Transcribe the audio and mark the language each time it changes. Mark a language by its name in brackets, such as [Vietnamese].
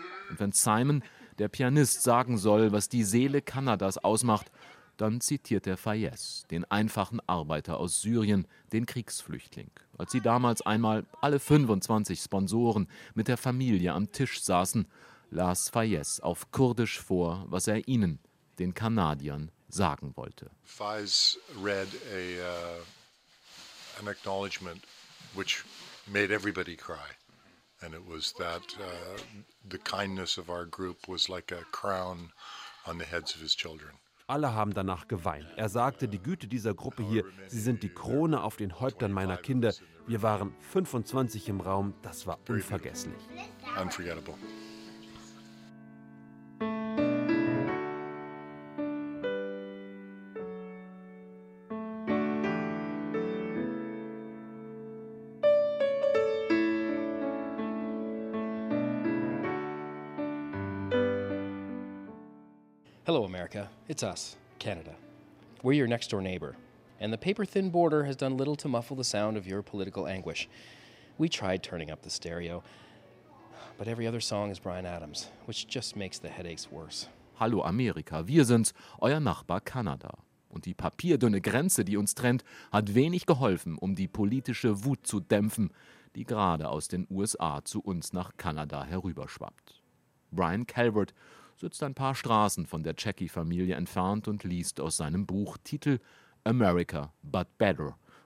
[German] Und wenn Simon, der Pianist, sagen soll, was die Seele Kanadas ausmacht, dann zitiert er Fayez, den einfachen Arbeiter aus Syrien, den Kriegsflüchtling. Als sie damals einmal alle 25 Sponsoren mit der Familie am Tisch saßen, las Fayez auf Kurdisch vor, was er ihnen, den Kanadiern, sagen wollte. [English] Fayez read an acknowledgement, which made everybody cry. And it was that the kindness of our group was like a crown on the heads of his children. [German] Alle haben danach geweint. Er sagte, die Güte dieser Gruppe hier, sie sind die Krone auf den Häuptern meiner Kinder. Wir waren 25 im Raum, das war unvergesslich. [English] Unforgettable. It's us, Canada. We're your next-door neighbor, and the paper-thin border has done little to muffle the sound of your political anguish. We tried turning up the stereo, but every other song is Bryan Adams, which just makes the headaches worse. [German] Hallo Amerika, wir sind's, euer Nachbar Kanada. Und die papierdünne Grenze, die uns trennt, hat wenig geholfen, um die politische Wut zu dämpfen, die gerade aus den USA zu uns nach Kanada herüberschwappt. Brian Calvert sitzt ein paar Straßen von der Jackie-Familie entfernt und liest aus seinem Buch Titel America, but better.